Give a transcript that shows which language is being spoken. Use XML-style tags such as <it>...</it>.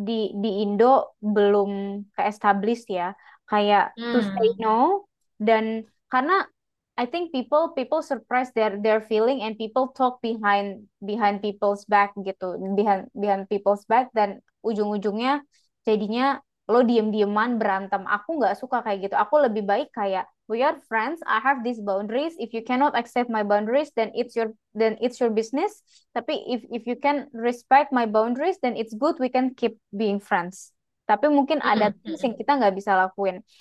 <id>di Indo belum ke-establish ya, kayak</id> <en>to say no,</en> <id>dan karena</id> <en>I think people suppress their feeling and people talk behind people's back gitu, behind people's back,</en> <id>dan ujung-ujungnya jadinya lo diem-dieman berantem. Aku nggak suka kayak gitu. Aku lebih baik kayak</id> <en>we are friends. I have these boundaries. If you cannot accept my boundaries, then it's your business. Tapi if you can respect my boundaries, then it's good. We can keep being friends.</en> <id>Tapi mungkin ada things yang kita nggak bisa lakuin.</id>